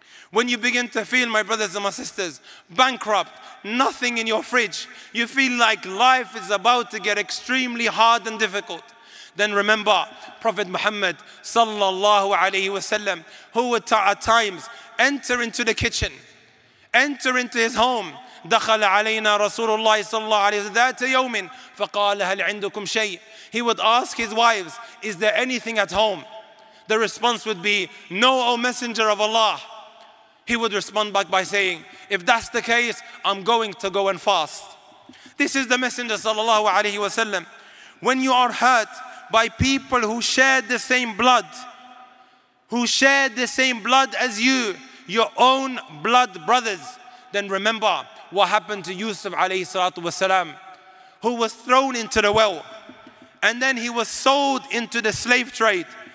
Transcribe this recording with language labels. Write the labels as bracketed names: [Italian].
[English] When you begin to feel, my brothers and my sisters, bankrupt, nothing in your fridge, you feel like life is about to get extremely hard and difficult, then remember Prophet Muhammad sallallahu alayhi wasallam, who would at times enter into the kitchen, enter into his home. [Arabic] دخل علينا رسول الله صلى الله عليه وسلم ذات يوم فقال هل عندكم شيء. [English] He would ask his wives, is there anything at home? The response would be, no, O Messenger of Allah. He would respond back by saying, if that's the case, I'm going to go and fast. This is the Messenger [Arabic] صلى الله عليه وسلم. [English] When you are hurt by people who shared the same blood, who shared the same blood as you, your own blood brothers, then remember what happened to Yusuf alayhi salatu wasalam, who was thrown into the well and then he was sold into the slave trade.